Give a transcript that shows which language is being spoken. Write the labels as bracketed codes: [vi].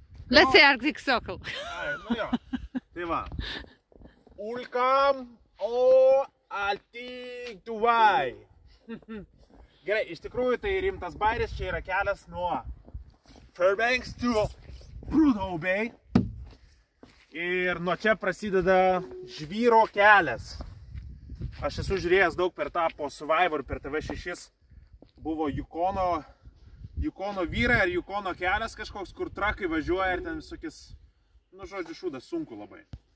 [en] Let's say Arctic Circle. [lt] Ai, nu jo. Tai va. Ulkam Arctic Dubai. Gerai, iš tikrųjų tai rimtas bairis. Čia yra kelias nuo [en] Fairbanks to Prudhoe Bay. [lt] Ir nuo čia prasideda žvyro kelias. Aš esu žiūrėjęs daug per tą po Survivor, per TV6 buvo Yukono vyrai ar Yukono kelias kažkoks, kur trakai važiuoja ir ten visokis, nu žodžiu, šūdas, sunku labai.